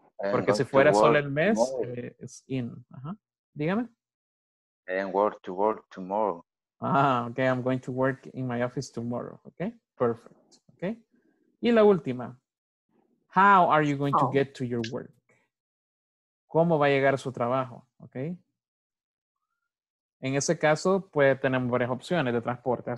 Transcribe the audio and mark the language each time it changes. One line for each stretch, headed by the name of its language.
Spanish: Porque si fuera solo el mes, es in, ajá, dígame.
English: And work to work tomorrow. Ah, okay, I'm going to work in my office tomorrow, okay, perfect, okay.
Spanish: Y la última,
English: how are you going to get to your work?
Spanish: ¿Cómo va a llegar a su trabajo? Okay. En ese caso, pues tenemos varias opciones de transporte.